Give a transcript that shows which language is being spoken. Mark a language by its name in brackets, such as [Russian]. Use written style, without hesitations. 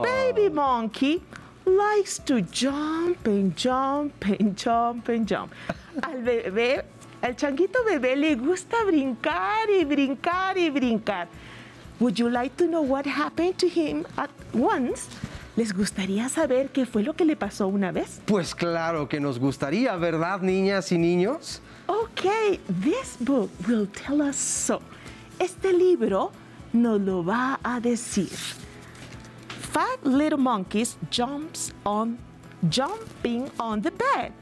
[English] Baby Monkey likes to jump and jump and jump and jump. [Spanish] Al bebé, al changuito bebé le gusta brincar y brincar y brincar. [English] Would you like to know what happened to him at once? [Spanish] ¿Les gustaría saber qué fue lo que le pasó una vez? Pues claro que nos gustaría, ¿verdad, niñas y niños? [English] Okay, this book will tell us so. [Spanish] Este libro nos lo va a decir. [English] Five little monkeys jumping on the bed.